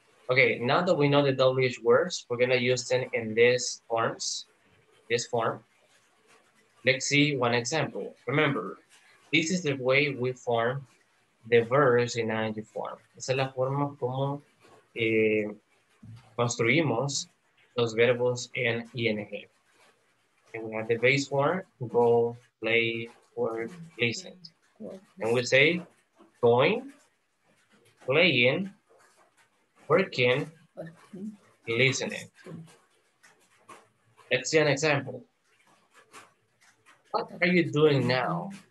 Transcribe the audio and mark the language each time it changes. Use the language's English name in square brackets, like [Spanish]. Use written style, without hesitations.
[English] Okay, now that we know the WH words, we're gonna use them in these forms. This form. Let's see one example. Remember, this is the way we form the verbs in ING form. [Spanish] Esa es la forma como construimos los verbos en ING. [English] And we have the base form, go, play, work, listen. And we say, going, playing, working, listening. Let's see an example. What are you doing now?